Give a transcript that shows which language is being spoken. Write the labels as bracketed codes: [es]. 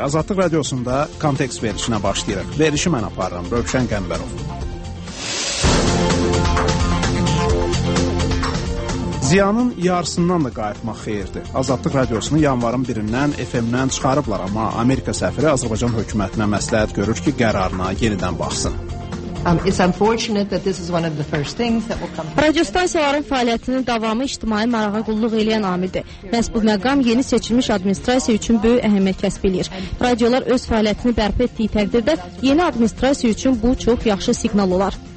[az] Azadlıq radiosunda kontekst verişinə başlayırıq. Verişi mən aparıram, Rövşən Qəmbərov. Ziyanın yarısından da qayıtmaq xeyirdir. Azadlıq radiosunu yanvarın 1-dən FM-dən çıxarıblar, amma Amerika səfiri Azərbaycan hökumətinə məsləhət görür ki, qərarına yenidən baxsın. [en] It's unfortunate that this is one of the first things that will come. [az] Radiostansiyaların fəaliyyətinin davamı ictimai marağa qulluq eləyən amildir. Məhz bu məqam yeni seçilmiş administrasiya üçün böyük əhəmiyyət kəsb edir. Radiolar öz fəaliyyətini bərpa etdiyi təqdirdə yeni administrasiya üçün bu çox yaxşı siqnal olar.